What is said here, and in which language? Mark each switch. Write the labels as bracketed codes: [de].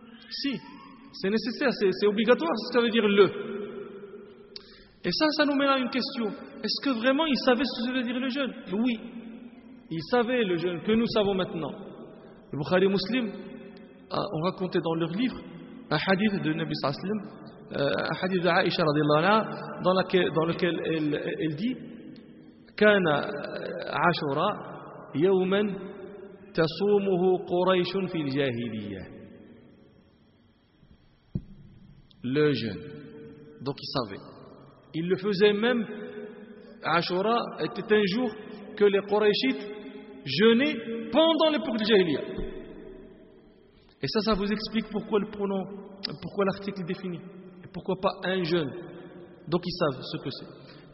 [fr] Si, c'est nécessaire, c'est obligatoire. Ce que ça veut dire le. Et ça nous mène à une question. Est-ce que vraiment ils savaient ce que veut dire le jeûne? Oui. Il savait le jeûne que nous savons maintenant. Les Bukhari et Muslim ont raconté dans leur livre [ar] أحاديث النبي صلى الله عليه وسلم أحاديث عائشة رضي الله عنها ضلك ضلك الدي كان عاشوراء يوما تصومه قريش في الجاهلية [fr] le jeûne. Donc ils savaient. Ils le faisaient même, Ashura était un jour que les Qurayshites jeûnaient pendant l'époque du Jahiliya. Et ça, ça vous explique pourquoi le pronom, pourquoi l'article est défini. Et pourquoi pas un jeûne. Donc ils savent ce que c'est.